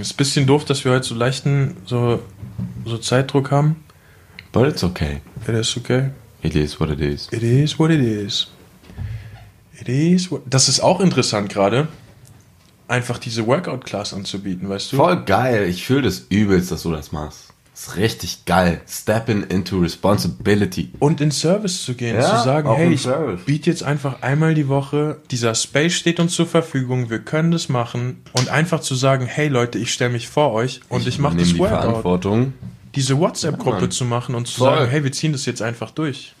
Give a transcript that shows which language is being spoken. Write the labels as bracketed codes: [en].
[de] Ist ein bisschen doof, dass wir heute so leichten so Zeitdruck haben. [en] But it's okay. It is okay. It is what it is. It is what it is. [de] Das ist auch interessant gerade, einfach diese Workout-Class anzubieten, weißt du? Voll geil, ich fühle das übelst, dass du das machst. Das ist richtig geil. [en] Stepping into responsibility. [de] Und in Service zu gehen, ja, zu sagen, hey, ich biete jetzt einfach einmal die Woche, dieser Space steht uns zur Verfügung, wir können das machen. Und einfach zu sagen, hey Leute, ich stelle mich vor euch und ich mache das Workout. Ich nehme die Verantwortung. Diese WhatsApp-Gruppe zu machen und zu sagen, hey, wir ziehen das jetzt einfach durch.